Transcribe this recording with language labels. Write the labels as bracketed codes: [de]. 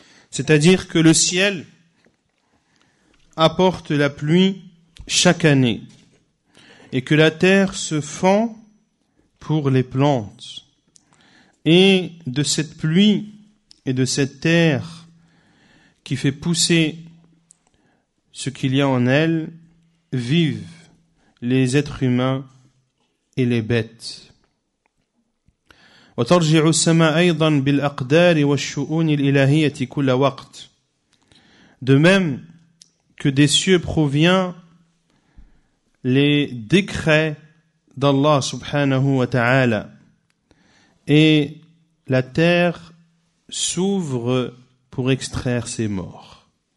[fr] C'est-à-dire que le ciel apporte la pluie chaque année, et que la terre se fend pour les plantes. Et de cette pluie et de cette terre qui fait pousser ce qu'il y a en elle, vivent les êtres humains et les bêtes. [ar] وترجع السماء أيضا بالأقدار والشؤون الإلهية كل وقت. [fr] De même que des cieux provient les décrets d'Allah subhanahu wa ta'ala. Et la terre s'ouvre pour extraire ses morts.